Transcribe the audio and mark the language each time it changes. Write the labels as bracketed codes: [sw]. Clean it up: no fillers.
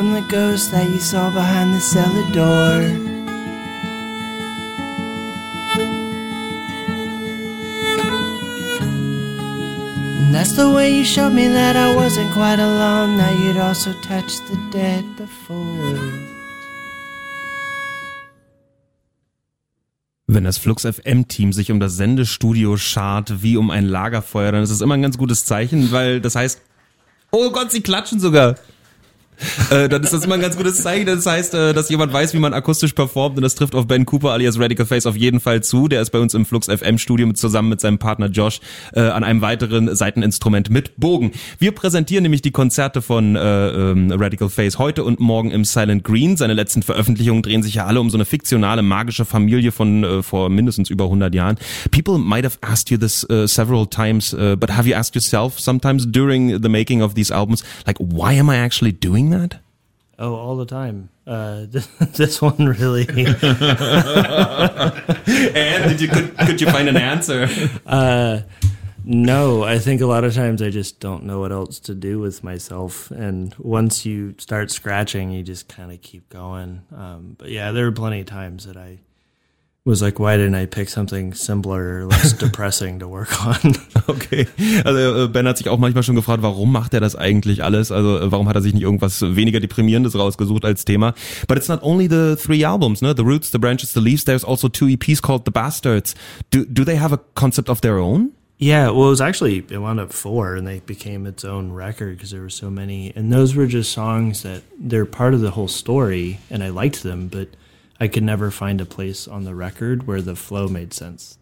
[en] Ghost that you saw behind the cellar door. And that's the way you showed me that I wasn't quite alone, that you'd also touched the dead before. [de] Wenn das Flux FM-Team sich um das Sendestudio schart wie um ein Lagerfeuer, dann ist das immer ein ganz gutes Zeichen, weil das heißt, oh Gott, sie klatschen sogar. dann ist das immer ein ganz gutes Zeichen, das heißt, dass jemand weiß, wie man akustisch performt, und das trifft auf Ben Cooper alias Radical Face auf jeden Fall zu. Der ist bei uns im Flux FM Studio zusammen mit seinem Partner Josh an einem weiteren Saiteninstrument mit Bogen. Wir präsentieren nämlich die Konzerte von Radical Face heute und morgen im Silent Green. Seine letzten Veröffentlichungen drehen sich ja alle um so eine fiktionale magische Familie von vor mindestens über 100 Jahren. [en] People might have asked you this several times, but have you asked yourself sometimes during the making of these albums, like, why am I actually doing that? Oh, all the time. This one really. And did you could you find an answer? No, I think a lot of times I just don't know what else to do with myself. And once you start scratching, you just kind of keep going. But yeah, there were plenty of times that I was like, why didn't I pick something simpler, less depressing to work on? Okay. [de] Also Ben hat sich auch manchmal schon gefragt, warum macht er das eigentlich alles? Also warum hat er sich nicht irgendwas weniger Deprimierendes rausgesucht als Thema? [en] But it's not only the three albums, ne? The Roots, The Branches, The Leaves. There's also two EPs called The Bastards. Do they have a concept of their own? Yeah, well, it wound up four, and they became its own record because there were so many. And those were just songs that they're part of the whole story, and I liked them, but I could never find a place on the record where the flow made sense.